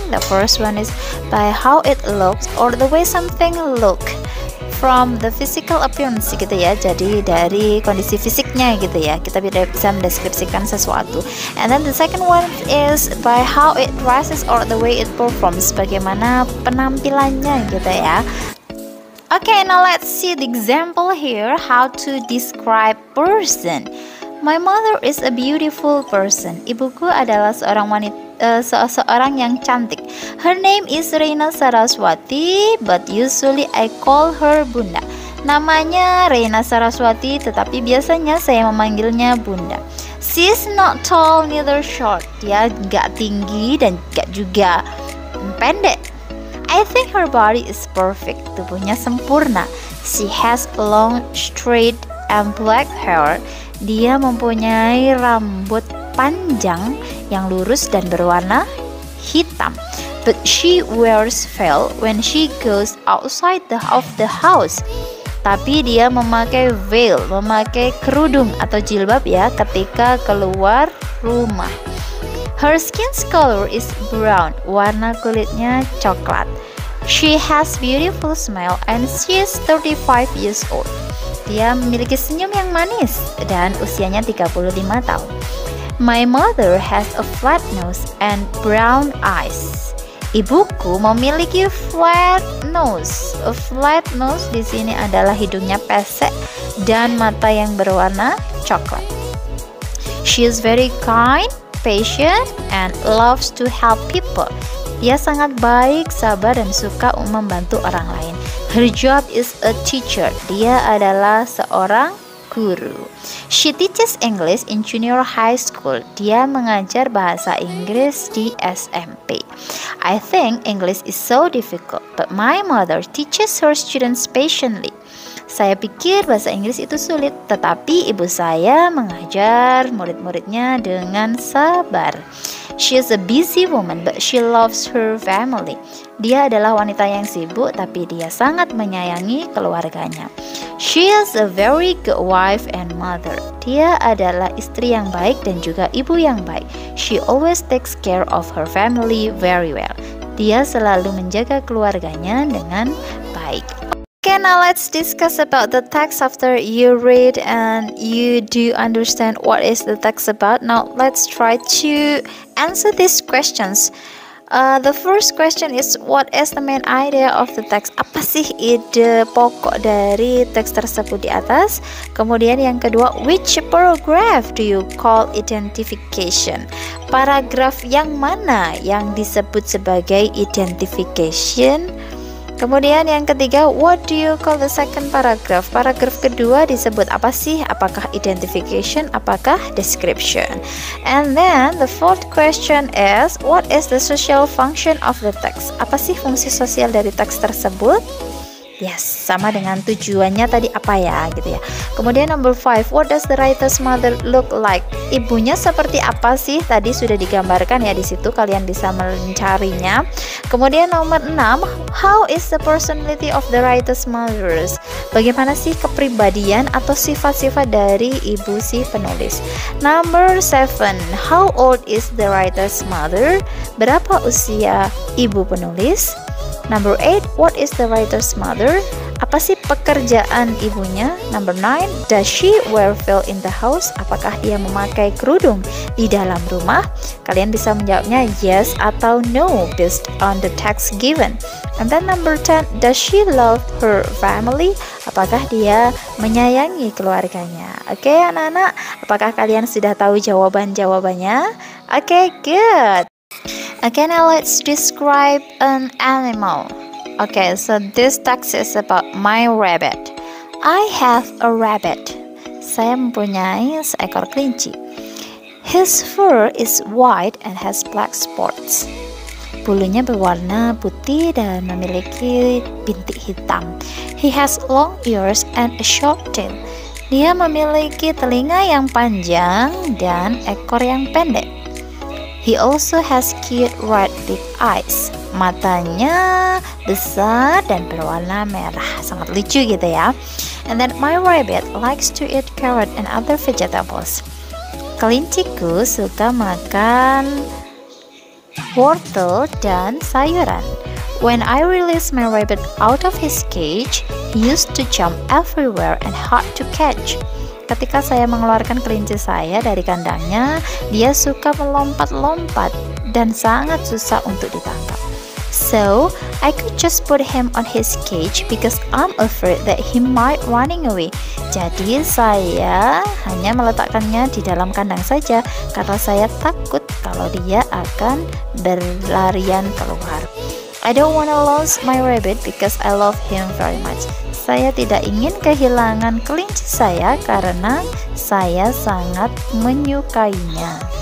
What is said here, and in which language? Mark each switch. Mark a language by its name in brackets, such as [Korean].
[English] The first one is by how it looks or the way something look from the physical appearance [Indonesian] gitu ya. Jadi dari kondisi fisiknya gitu ya, kita bisa mendeskripsikan sesuatu. [English] And then the second one is by how it dresses or the way it performs, [Indonesian] bagaimana penampilannya gitu ya. [English] Okay, now let's see the example here how to describe person. My mother is a beautiful person. [Indonesian] Ibuku adalah seorang wanita, seorang yang cantik. [English] Her name is Reina Saraswati, but usually I call her Bunda. [Indonesian] Namanya Reina Saraswati, tetapi biasanya saya memanggilnya Bunda. [English] She's not tall neither short. [Indonesian] Dia gak tinggi dan gak juga pendek. [English] I think her body is perfect. [Indonesian] Tubuhnya sempurna. [English] She has long, straight, and black hair. [Indonesian] Dia mempunyai rambut panjang yang lurus dan berwarna hitam. [English] But she wears veil when she goes outside of the house. [Indonesian] Tapi dia memakai veil, memakai kerudung atau jilbab ya, ketika keluar rumah. [English] Her skin's color is brown. [Indonesian] Warna kulitnya coklat. [English] She has beautiful smile and she is 35 years old. [Indonesian] Dia memiliki senyum yang manis dan usianya 35 tahun. [English] My mother has a flat nose and brown eyes. [Indonesian] Ibuku memiliki flat nose. [English] A flat nose [Indonesian] di sini adalah hidungnya pesek dan mata yang berwarna coklat. [English] She is very kind, patient, and loves to help people. [Indonesian] Dia sangat baik, sabar, dan suka membantu orang lain. [English] Her job is a teacher. [Indonesian] Dia adalah seorang guru. [English] She teaches English in junior high school. [Indonesian] Dia mengajar bahasa Inggris di SMP. [English] I think English is so difficult, but my mother teaches her students patiently. [Indonesian] Saya pikir bahasa Inggris itu sulit, tetapi ibu saya mengajar murid-muridnya dengan sabar. [English] She is a busy woman, but she loves her family. [Indonesian] Dia adalah wanita yang sibuk, tapi dia sangat menyayangi keluarganya. [English] She is a very good wife and mother. [Indonesian] Dia adalah istri yang baik dan juga ibu yang baik. [English] She always takes care of her family very well. [Indonesian] Dia selalu menjaga keluarganya dengan baik. [English] Okay, now let's discuss about the text after you read and you do understand what is the text about. Now let's try to answer these questions. The first question is, what is the main idea of the text? [Indonesian] Apa sih ide pokok dari teks tersebut di atas? Kemudian yang kedua, [English] which paragraph do you call identification? [Indonesian] Paragraf yang mana yang disebut sebagai identification? Kemudian yang ketiga, [English] what do you call the second paragraph? [Indonesian] Paragraf kedua disebut apa sih? Apakah identification? Apakah description? [English] And then the fourth question is, what is the social function of the text? [Indonesian] Apa sih fungsi sosial dari teks tersebut? Yes, sama dengan tujuannya tadi apa ya gitu ya. [English] Kemudian number 5, what does the writer's mother look like? [Indonesian] Ibunya seperti apa sih? Tadi sudah digambarkan ya di situ, kalian bisa mencarinya. [English] Kemudian number 6, how is the personality of the writer's mother? [Indonesian] Bagaimana sih kepribadian atau sifat-sifat dari ibu si penulis? [English] Number 7, how old is the writer's mother? [Indonesian] Berapa usia ibu penulis? [English] Number 8, what is the writer's mother? [Indonesian] Apa sih pekerjaan ibunya? [English] Number 9, does she wear veil in the house? [Indonesian] Apakah dia memakai kerudung di dalam rumah? Kalian bisa menjawabnya [English] yes atau no based on the text given. And then number 10, does she love her family? [Indonesian] apakah dia menyayangi keluarganya. Oke, anak-anak, apakah kalian sudah tahu jawaban-jawabannya? [English] Oke, good. Oke, now let's describe an animal. Oke, so this text is about my rabbit. I have a rabbit. [Indonesian] Saya mempunyai seekor kelinci. [English] His fur is white and has black spots. [Indonesian] Bulunya berwarna putih dan memiliki bintik hitam. [English] He has long ears and a short tail. [Indonesian] Dia memiliki telinga yang panjang dan ekor yang pendek. [English] He also has cute red big eyes. [Indonesian] Matanya besar dan berwarna merah. Sangat lucu gitu ya. [English] And then my rabbit likes to eat carrot and other vegetables. [Indonesian] Kelinciku suka makan wortel dan sayuran. [English] When I release my rabbit out of his cage, he used to jump everywhere and hard to catch. [Indonesian] Ketika saya mengeluarkan kelinci saya dari kandangnya, dia suka melompat-lompat dan sangat susah untuk ditangkap. [English] So, I could just put him on his cage because I'm afraid that he might running away. [Indonesian] Jadi, saya hanya meletakkannya di dalam kandang saja karena saya takut kalau dia akan berlarian keluar. [English] I don't wanna lose my rabbit because I love him very much. [Indonesian] Saya tidak ingin kehilangan kelinci saya karena saya sangat menyukainya.